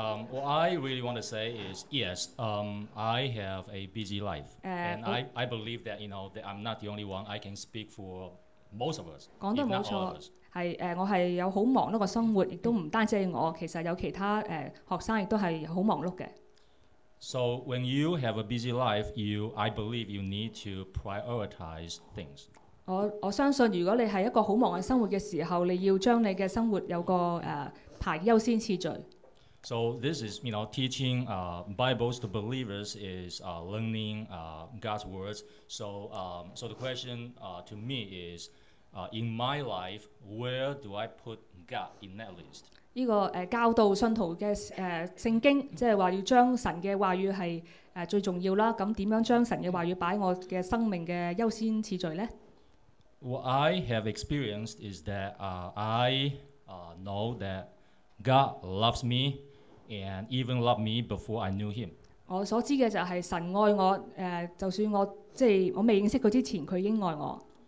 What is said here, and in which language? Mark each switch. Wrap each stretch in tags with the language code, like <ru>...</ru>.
<en>What I really want to say is, yes, I have a busy life. I believe that, you know, that I'm not the only one. I can speak for most of us, if not all of us.</en> <zh>我是有很忙碌的生活, 也不单止是我, 其实有其他, 学生, 也是很忙碌的。</zh> <en>So when you have a busy life, I believe you need to prioritize things.</en> <zh>我相信如果你是一个很忙的生活的时候, 你要将你的生活有个,</zh> <en>So this is, you know, teaching Bibles to believers is learning God's words. So the question to me is, in my life, where do I put God in that list?</en> <zh>这个, 教导信徒的, 圣经, 即是说要将神的话语是, 最重要啦, 那怎样将神的话语摆在我的生命的优先次序呢?</zh> <en>What I have experienced is that know that God loves me and even loved me before I knew him.</en> <zh>我所知的就是神爱我, 就算我, 即是我未认识他之前他已经爱我。</zh>